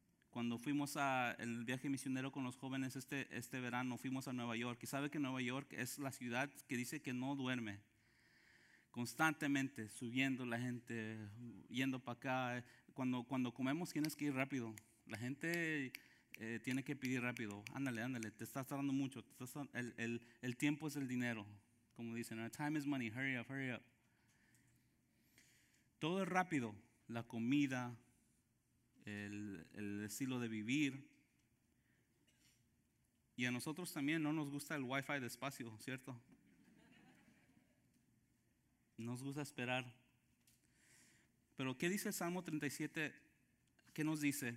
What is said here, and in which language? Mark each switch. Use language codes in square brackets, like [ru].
[es] Cuando fuimos al viaje misionero con los jóvenes este verano, fuimos a Nueva York. Y sabe que Nueva York es la ciudad que dice que no duerme. Constantemente subiendo la gente, yendo para acá. Cuando comemos tienes que ir rápido. La gente tiene que pedir rápido. Ándale, te estás tardando mucho. El tiempo es el dinero. Como dicen, [en] time is money, hurry up. [es] Todo es rápido. La comida, el estilo de vivir. Y a nosotros también no nos gusta el wifi despacio, ¿cierto? Nos gusta esperar. Pero ¿qué dice el Salmo 37? ¿Qué nos dice?